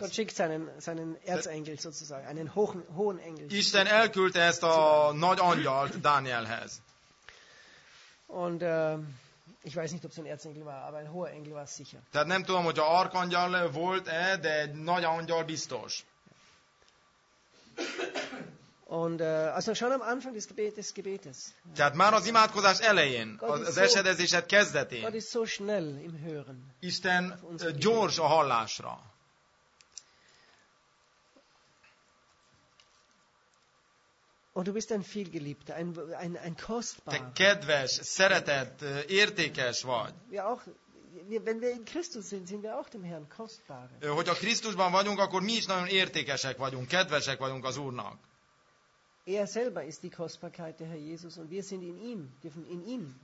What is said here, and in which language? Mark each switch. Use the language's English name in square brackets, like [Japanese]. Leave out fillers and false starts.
[German] Gott schickt seinen Erzengel sozusagen, einen hohen Engel. [Hungarian] Isten elküldte ezt a nagy angyalt Dánielhez. [German] Und ich weiß nicht, ob es ein Erzengel war, aber ein hoher Engel war sicher. [Hungarian] Tehát nem tudom, hogy a arkangyal volt-e, de egy nagy angyal biztos. [German] Und also schon am Anfang des Gebetes. [Hungarian] Tehát már az imádkozás elején, az esedezésed kezdetén. [German] God is so schnell im Hören. [Hungarian] Isten gyors a hallásra. [German] Und du bist ein viel geliebter, ein kostbar. [Hungarian] Te kedves, szeretett, értékes vagy. [German] Ja, auch wenn wir in Christus sind, sind wir auch dem Herrn kostbar. [Hungarian] Hogyha Krisztusban vagyunk, akkor mi is nagyon értékesek vagyunk, kedvesek vagyunk az Úrnak. [German] Er selber ist die Kostbarkeit der Herr Jesus und wir sind in ihm, dürfen in ihm.